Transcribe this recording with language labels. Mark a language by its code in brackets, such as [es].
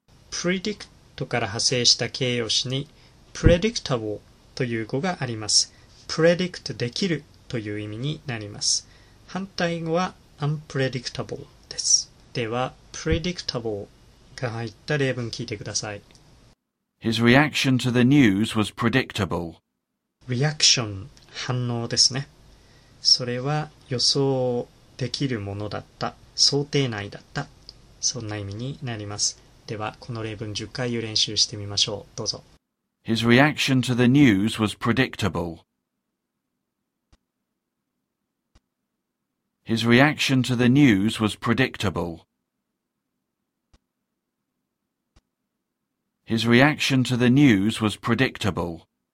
[ja] Predict から派生した形容詞に predictable という語があります。 Predict できるという意味になります。反対語は unpredictable です。では、predictable が入った例文聞いてください。 [en] His reaction to the news was predictable. [ja] Reaction、反応ですね。それは予想できるものだった。想定内だった。そんな意味になります。では、この例文10回言う練習してみましょう。どうぞ。 [en] His reaction to the news was predictable. His reaction to the news was predictable. His reaction to the news was predictable.